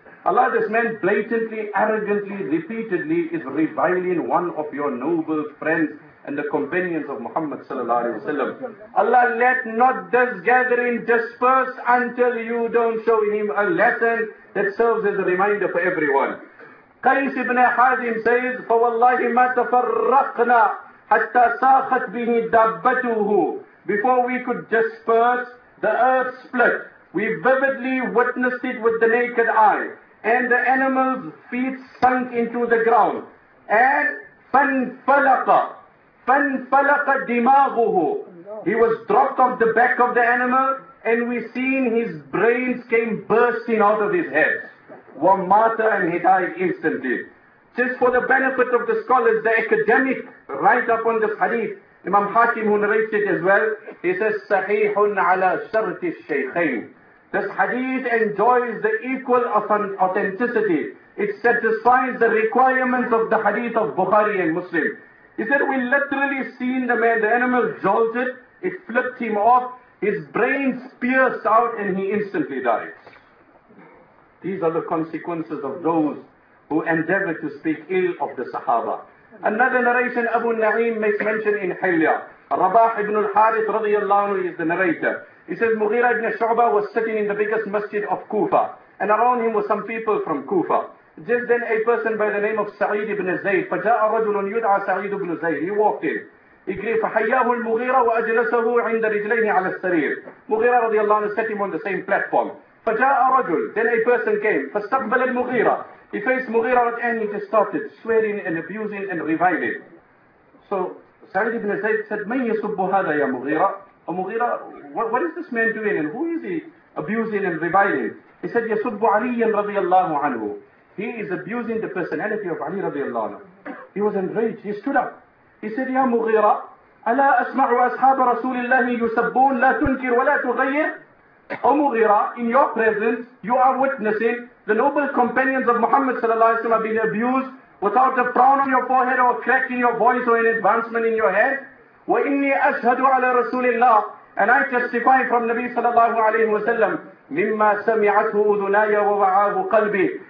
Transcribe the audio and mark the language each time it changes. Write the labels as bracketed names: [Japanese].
[English] Allah, this man blatantly, arrogantly, repeatedly is reviling one of your noble friends and the companions of Muhammad sallallahu alayhi wa sallam. Allah, let not this gathering disperse until you don't show him a lesson that serves as a reminder for everyone. Qais ibn Hazim says, [Arabic] فَوَاللَّهِ مَا تَفَرَّقْنَا حَتَّى سَاخَتْ بِهِ دَبَّتُهُ. [English] Before we could disperse, the earth split. We vividly witnessed it with the naked eye. And the animal's feet sunk into the ground. [Arabic] And فَانْفَلَقَ فَانْفَلَقَ دِمَاغُهُ. [English] He was dropped off the back of the animal and we seen his brains came bursting out of his head. [Arabic] وَمَاتَ [English] and he died instantly. Just for the benefit of the scholars, the academic write up on this hadith, Imam Hakim who narrates it as well, he says, [Arabic] صَحِيحٌ عَلَى شَرْتِ الشَّيْخَيْنِ. [English] This hadith enjoys the equal of an authenticity. It satisfies the requirements of the hadith of Bukhari and Muslim. He said, we literally seen the man, the animal jolted, it flipped him off, his brains pierced out and he instantly died. These are the consequences of those who endeavor to speak ill of the Sahaba. Another narration, Abu Naim makes mention in Hilya. Rabah ibn al-Harith radiyallahu anhu is the narrator. He says, Mughira ibn Shu'ba was sitting in the biggest masjid of Kufa and around him were some people from Kufa. Just then a person by the name of Sa'id ibn Zayd, [Arabic] فَجَاءَ رَجُلٌ يُدْعَى سَعِيدُ [English] ibn Zayd. He walked in. He greeted, [Arabic] فَحَيَّاهُ الْمُغِيرَ وَأَجْلَسَهُ عِنْدَ رِجْلَيْهِ عَلَى السَّرِيرِ. [English] Mughira radiallahu anhu set him on the same platform. [Arabic] فَجَاءَ رَجُلٌ. [English] Then a person came. [Arabic] فَاسْتَقْبَلَ الْمُغِيرَ. [English] He faced Mughira and he just started swearing and abusing and reviling. So Sa'id ibn Zayd said, [Arabic] مَنْ يَسُبُّ هَذَا يَا مُغِيرَ. [English] Oh, Mughira, what is this man doing and who is he abusing and reviling? He said, [Arabic] يَسُبُّ عَلِيًّا رَضِيَ اللَّهُ عَنْهُ. [English] He is abusing the personality of Ali radiallahu anhu. He was enraged. He stood up. He said, [Arabic] Ya Mughira, أَلَا أَسْمَعُ أَصْحَابَ رَسُولِ اللَّهِ يُسَبُّونَ لَا تُنْكِرْ وَلَا تُغَيِّرْ. [English] Oh Mughira, in your presence, you are witnessing the noble companions of Muhammad sallallahu alayhi wa sallam being abused without a frown on your forehead or a crack in your voice or an advancement in your head. [Arabic] وَإِنِّي أَشْهَدُ عَلَى رَسُولِ اللَّهِ. [English] And I testify from Nabi sallallahu alayhi wa sallam, [Arabic] مِمَّا سَمِعَتْهُ أُذُنَايَ وَوَعَاهُ قَلْبِي.